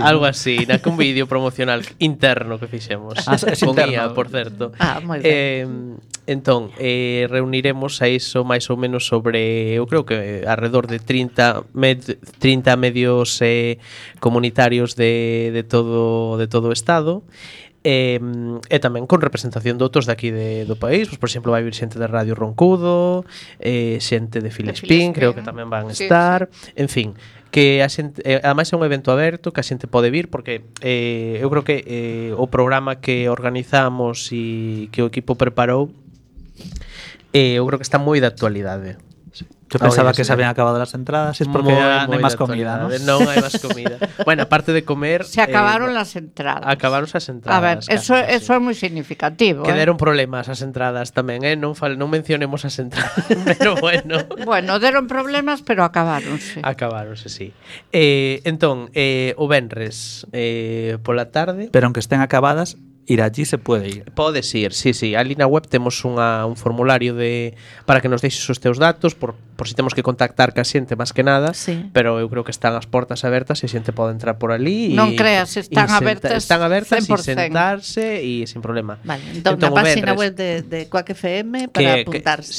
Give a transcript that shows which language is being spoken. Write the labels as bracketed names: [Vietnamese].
[Spanish] Algo así, ¿no? Un vídeo promocional interno que fijemos. Con guía, por cierto. Ah, muy bien. Entonces, reuniremos a eso más o menos sobre, yo creo que alrededor de 30 medios comunitarios de todo o Estado. [Galician] E tamén con representación de outros daqui do país, pues, por exemplo, vai vir xente de Radio Roncudo, xente de Filespín, creo que tamén van estar, sí. En fin, que a xente, además é un evento aberto, que a xente pode vir, porque eu creo que o programa que organizamos e que o equipo preparou, eu creo que está moi de actualidade. [Spanish] Yo pensaba que se habían acabado las entradas, es porque no hay más comida, ¿no? No hay más comida. Bueno, aparte de comer... Se acabaron las entradas. Acabaron las entradas. A ver, eso es muy significativo. Quedaron problemas las entradas también, ¿eh? No mencionemos las entradas, pero bueno. Bueno, dieron problemas, pero acabáronse. Acabáronse, sí. Entonces, [Galician] o venres [Spanish] por la tarde... Pero aunque estén acabadas... Ir allí se puede ir. [Galician] Podes ir, sí, sí. Ali na web temos un formulario para que nos deixes os teus datos por si temos que contactar ca xente máis que nada, sí. Pero eu creo que están as portas abertas e xente pode entrar por ali. Non creas, están abertas. Están abertas 100%. E sentarse e sin problema. Vale, entón a páxina web de Quack FM para apuntarse.